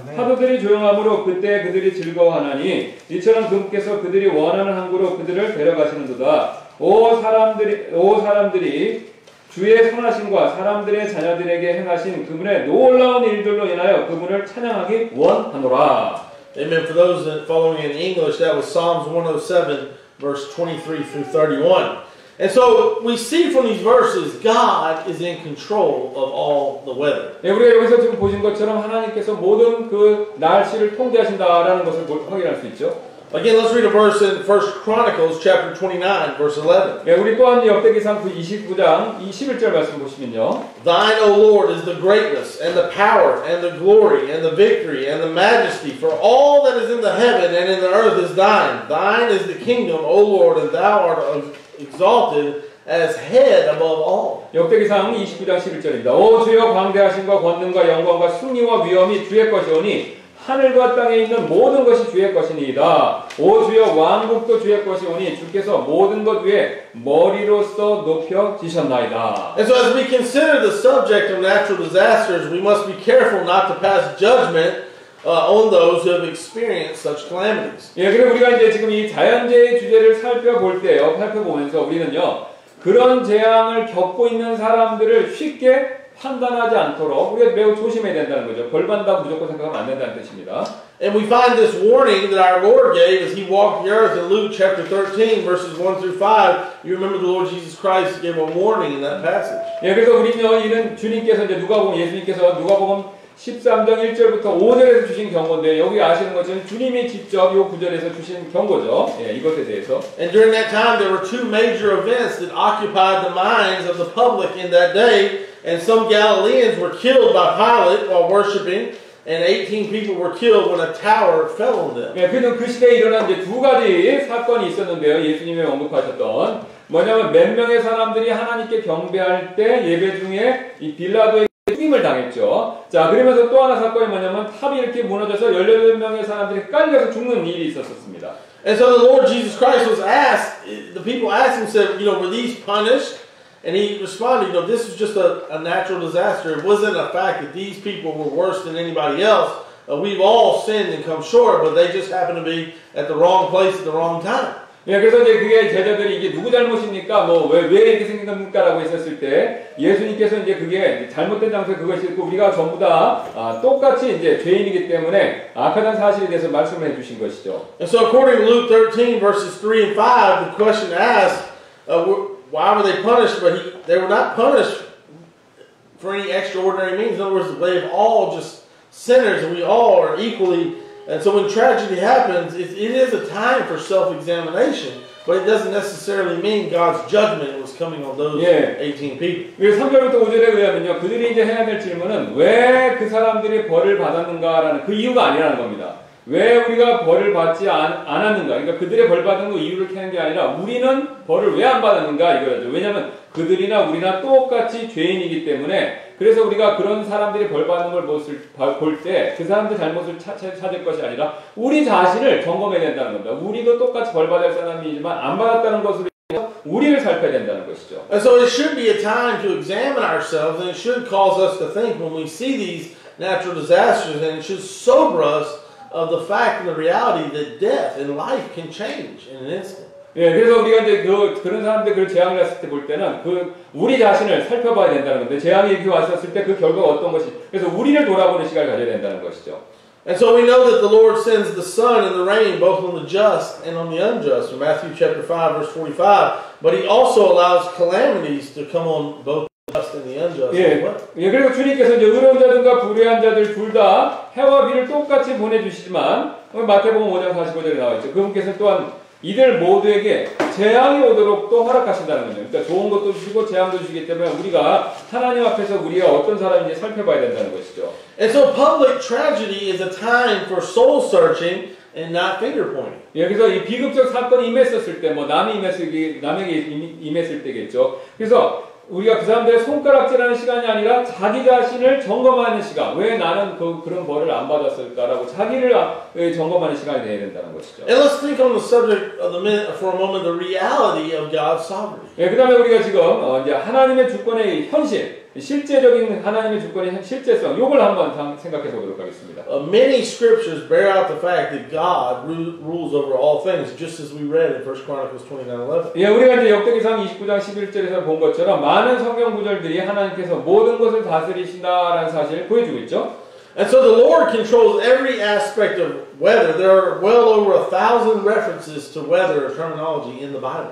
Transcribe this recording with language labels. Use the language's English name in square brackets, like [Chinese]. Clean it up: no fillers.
[Korean] 파도들이 조용함으로 그때 그들이 즐거워하나니 이처럼 그분께서 그들이 원하는 항구로 그들을 데려가시는도다. 오 사람들이 주의 선하심과 사람들의 자녀들에게 행하신 그분의 놀라운 일들로 인하여 그분을 찬양하기 원하노라. [English] Amen. For those that following in English, that was Psalms 107, verse 23 through 31. And so we see from these verses, God is in control of all the weather. [Korean] 예, 우리가 여기서 지금 보신 것처럼 하나님께서 모든 그 날씨를 통제하신다라는 것을 확인할 수 있죠. [English] Again, let's read a verse in 1 Chronicles chapter 29, verse 11. [Korean] 예, 우리 또한 역대기상 29장 21절 말씀 보시면요. [English] Thine, O Lord, is the greatness and the power and the glory and the victory and the majesty. For all that is in the heaven and in the earth is thine. Thine is the kingdom, O Lord, and thou art of exalted as head above all. [Korean] 역대기상 29장 11절입니다. 오 주여 광대하심과 권능과 영광과 승리와 위엄이 주의 것이오니 하늘과 땅에 있는 모든 것이 주의 것이니이다. 오 주여 왕국도 주의 것이오니 주께서 모든 것 위에 머리로서 높여 지셨나이다. [English] And so as we consider the subject of natural disasters, we must be careful not to pass judgment on those who have experienced such calamities. [Korean] 예, 그리고 우리가 이제 지금 이 자연재해 주제를 살펴볼 때요, 살펴보면서 우리는요, 그런 재앙을 겪고 있는 사람들을 쉽게 판단하지 않도록 우리가 매우 조심해야 된다는 거죠. 벌 받는다고 무조건 생각하면 안 된다는 뜻입니다. [English] And we find this warning that our Lord gave as he walked the earth in Luke chapter 13 verses 1 through 5. You remember the Lord Jesus Christ gave a warning in that passage. [Korean] 예, 그래서 우리는 이런 주님께서 이제 누가복음 예수님께서 누가복음 13장 1절부터 5절에서 주신 경고인데 여기 아시는 것은 주님이 직접 이 구절에서 주신 경고죠. 예, 이것에 대해서. [English] And during that time there were two major events that occupied the minds of the public in that day. And some Galileans were killed by Pilate while worshiping, and 18 people were killed when a tower fell on them. [Korean] 예, 그는 그 시대에 일어난 이제 두 가지 사건이 있었는데요. 예수님이 언급하셨던 뭐냐면 몇 명의 사람들이 하나님께 경배할 때 예배 중에 이 빌라도의 죽임을 당했죠. 자, 그러면서 또 하나 사건이 뭐냐면 탑이 이렇게 무너져서 18명의 사람들이 깔려서 죽는 일이 있었습니다. [English] And so the Lord Jesus Christ was asked, the people asked him, said, you know, were these punished? And he responded, you know, this was just a natural disaster. It wasn't a fact that these people were worse than anybody else. We've all sinned and come short, but they just happened to be at the wrong place at the wrong time. [Korean] 예, 그래서 이제 그게 제자들이 이게 누구 잘못입니까? 뭐 왜 이렇게 생긴 겁니까라고 했었을 때 예수님께서 이제 그게 잘못된 장소에 그것이 있고 우리가 전부 다 똑같이 이제 죄인이기 때문에 악하다는 사실에 대해서 말씀해 주신 것이죠. [English] And so according to Luke 13 verses 3 and 5 the question asked why were they punished but they were not punished for any extraordinary means. In other words, they've all just sinners and we all are equally. And so when tragedy happens, it is a time for self-examination, but it doesn't necessarily mean God's judgment was coming on those [Korean] 예. [English] 18 people. [Korean] 예, 3절부터 5절에 의하면요, 그들이 이제 해야 될 질문은 왜 그 사람들이 벌을 받았는가라는 그 이유가 아니라는 겁니다. 왜 우리가 벌을 받지 않았는가? 그러니까 그들의 벌 받은 거 이유를 캐는 게 아니라 우리는 벌을 왜 안 받았는가 이거죠. 왜냐하면 그들이나 우리나 똑같이 죄인이기 때문에. 그래서 우리가 그런 사람들이 벌 받는 걸 볼 때 그 사람들 잘못을 찾을 것이 아니라 우리 자신을 점검해야 된다는 겁니다. 우리도 똑같이 벌 받을 사람이지만 안 받았다는 것으로 인해서 우리를 살펴야 된다는 것이죠. [English] And so it should be a time to examine ourselves and it should cause us to think when we see these natural disasters and it should sober us of the fact and the reality that death and life can change in an instant. [Korean] 예, 그래서 우리가 이제 그런 사람들 그 재앙을 했을 때 볼 때는 그 우리 자신을 살펴봐야 된다는 건데 재앙이 이렇게 왔었을 때 그 결과가 어떤 것이 그래서 우리를 돌아보는 시간을 가져야 된다는 것이죠. [English] And so we know that the Lord sends the sun and the rain both on the just and on the unjust from Matthew chapter 5 verse 45 but he also allows calamities to come on both the just and the unjust. [Korean] 예, 예 그리고 주님께서 이제 의로운 자들과 불의한 자들 둘 다 해와 비를 똑같이 보내주시지만 마태복음 5장 45절에 나와있죠. 그분께서 또한 이들 모두에게 재앙이 오도록 또 허락하신다는 거죠. 그러니까 좋은 것도 주시고 재앙도 주시기 때문에 우리가 하나님 앞에서 우리가 어떤 사람인지 살펴봐야 된다는 것이죠. [English] And so public tragedy is a time for soul searching and not finger pointing. [Korean] 여기서 이 비극적 사건이 임했었을 때 뭐 남에게 임했을 때겠죠. 그래서 우리가 그 사람들의 손가락질하는 시간이 아니라 자기 자신을 점검하는 시간. 왜 나는 그런 벌을 안 받았을까라고 자기를 점검하는 시간이 되어야 된다는 것이죠. [English] And let's think on the subject of the minute for a moment, the reality of God's sovereignty. [Korean] 예, 그다음에 우리가 지금 이제 하나님의 주권의 현실, 실제적인 하나님의 주권의 실제성, 이걸 한번 생각해서 보도록 하겠습니다. [English] Many scriptures bear out the fact that God rules over all things, just as we read in 1 Chronicles 29:11. [Korean] 예, 우리가 이제 역대기상 29장 11절에서 본 것처럼 많은 성경 구절들이 하나님께서 모든 것을 다스리신다라는 사실을 보여주고 있죠. [English] And so the Lord controls every aspect of weather. There are well over 1,000 references to weather terminology in the Bible.